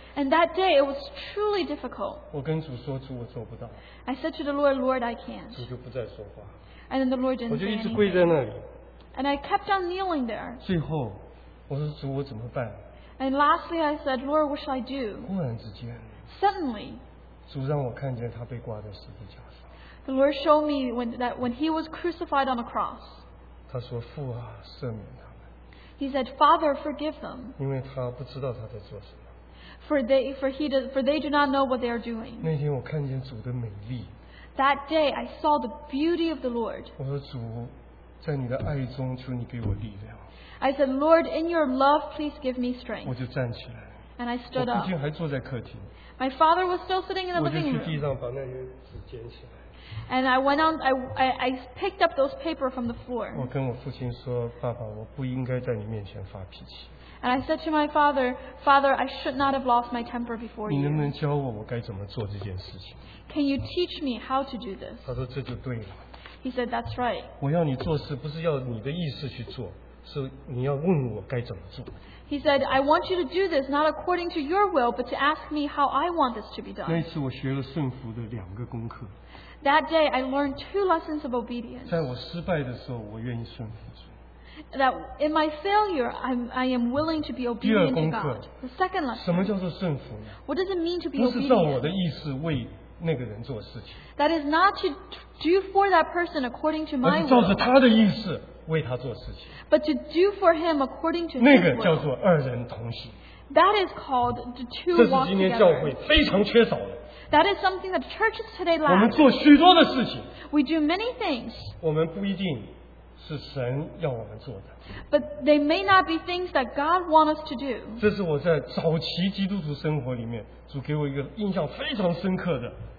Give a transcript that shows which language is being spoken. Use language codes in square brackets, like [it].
[en] And that day it was truly difficult. [zh] 我跟主说，主，我做不到。 [en] I said to the Lord, Lord, I can't. [zh] 主就不再说话。 [en] And then the Lord didn't say anything. [zh] 我就一直跪在那里。 [en] And I kept on kneeling there. [zh] 最后，我说主，我怎么办？ [en] And lastly, I said, Lord, what should I do? [zh] 忽然之间, [en] Suddenly, [zh] 主让我看见他被挂在十字架上。 [en] The Lord showed me when he was crucified on the cross. [zh] 他说, 父啊, 赦免他们。 [en] He said, Father, forgive them. [zh] 因为他不知道他在做什么。 [en] For they do not know what they are doing. [zh] 那天我看见主的美丽。 [en] That day, I saw the beauty of the Lord. [zh] 我说, 主, 在你的爱中, 求你给我力量。 [en] I said, Lord, in your love, please give me strength. [zh] 我就站起来。 [en] And I stood up. [zh] 我父亲还坐在客厅。 [en] My father was still sitting in the living room. [zh] 我就去地上把那些纸捡起来。 [en] And I went on, I picked up those paper from the floor. [zh] 我跟我父亲说，爸爸，我不应该在你面前发脾气。 [en] And I said to my father, Father, I should not have lost my temper before you. [zh] 你能不能教我，我该怎么做这件事情？ [en] Can you teach me how to do this? [zh] 他说这就对了。 [en] He said, that's right. [zh] 我要你做事，不是要你的意思去做。So, 你要问我该怎么做。 [en] He said, I want you to do this not according to your will, but to ask me how I want this to be done. [zh] 那一次我学了顺服的两个功课。 [en] That day, I learned two lessons of obedience. [zh] 在我失败的时候，我愿意顺服。 [en] That in my failure, I am willing to be obedient to God. [zh] 第二功课。 [en] The second lesson. [zh] 什么叫做顺服呢？ [en] What does it mean to be [zh] obedient? 不是照我的意思为那个人做事情。 [en] That is not to do for that person according to my will. [zh] 而是照着他的意思。为他做事情。 [en] But to do for him according to his [zh] will. 那个叫做二人同行。 [en] That is called the two walk [zh] together. 这是今天教会非常缺少的。 [en] That is something that churches today lack. [zh] 我们做许多的事情。 [en] We do many things. [zh] 我们不一定是神要我们做的。 [en] But they may not be things that God wants us to do. [zh] 这是我在早期基督徒生活里面，主给我一个印象非常深刻的。